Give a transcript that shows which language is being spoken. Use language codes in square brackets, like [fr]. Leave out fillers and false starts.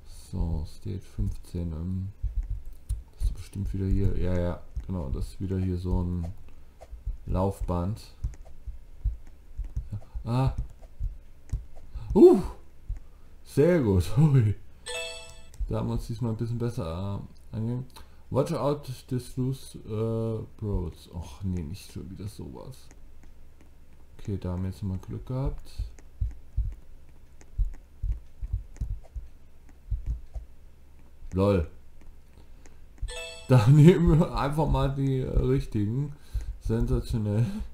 [de] So, Stage 15. Das ist bestimmt wieder hier. Ja, genau. Das ist wieder hier so ein Laufband. Sehr gut, sorry. Da haben wir uns diesmal ein bisschen besser angehen. [en] Watch out this loose roads. [de] Och nee, nicht schon wieder sowas. Okay, da haben wir jetzt nochmal Glück gehabt. Lol. Da nehmen wir einfach mal die richtigen. Sensationell.